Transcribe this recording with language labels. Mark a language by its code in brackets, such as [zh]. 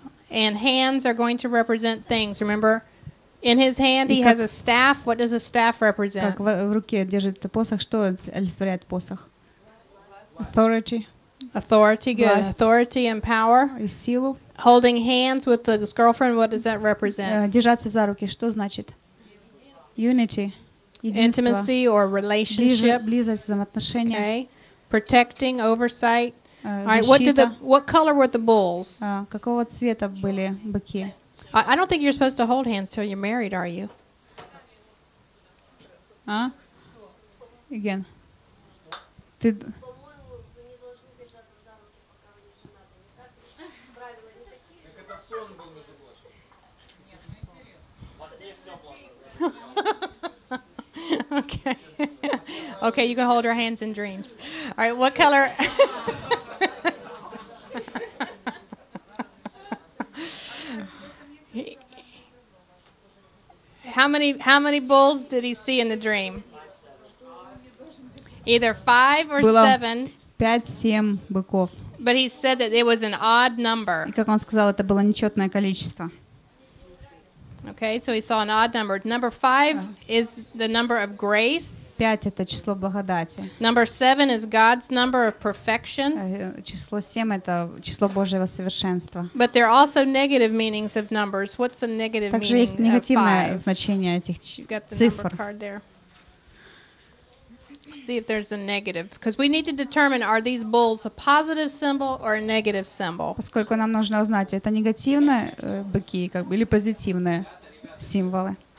[en] And hands are going to represent things, remember? In his hand he has a staff. What does a staff represent? [ru] Как в руке держит посох, что олицетворяет посох? [en] Authority. Authority, good. [ru] Власть. [en] Authority and power. [ru] И силу. [en] Holding hands with his girlfriend, what does that represent? [ru] Держаться за руки, что значит? [en] Unity. [ru] Единство. [en] Intimacy or relationship. [ru] Близость, взаимоотношения. [en] Okay. Protecting, oversight. [ru] Защита. [en] Right, what color were the bulls? [ru] Какого цвета были быки? [en] I don't think you're supposed to hold hands till you're married, are you? [ru] А? [en] Again. [ru] Ты... [en] Okay. Okay. Okay, you can hold your hands in dreams. All right, what color? How many bulls did he see in the dream? Either 5 or 7. [ru] 5-7 быков. [en] But he said that it was an odd number. [ru] И как он сказал, это было нечётное количество. [en] Okay, so he saw an odd number. Number 5 is the number of grace. [ru] 5 это число благодати. [en] Number 7 is God's number of perfection. [ru] Число 7 это число Божьего совершенства. [en] But there are also negative meanings of numbers. What's the negative [ru] Также [en] meaning? [ru] Также есть негативное [en] of 5? [ru] Значение этих цифр. [en] You've got the number card there. See if there's a negative, because we need to determine, are these bulls a positive symbol or a negative symbol? [ru] Поскольку нам нужно узнать, это негативные быки, как бы, или позитивные символы.